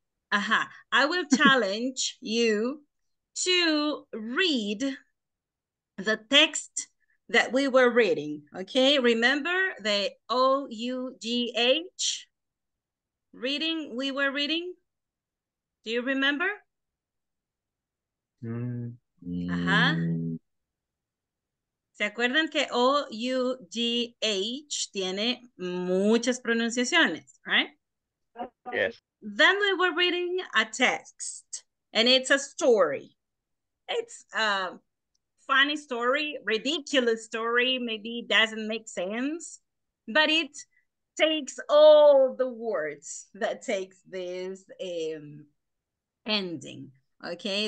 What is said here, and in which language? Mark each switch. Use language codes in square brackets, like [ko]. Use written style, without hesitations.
[en] I will challenge you to read the text that we were reading, okay? Remember the O-U-G-H reading we were reading? Do you remember? [es] ¿Se acuerdan que O-U-G-H tiene muchas pronunciaciones, right? [en] Yes. Then we were reading a text, and it's a story. It's funny story, ridiculous story, maybe doesn't make sense, but it takes all the words that takes this ending, okay?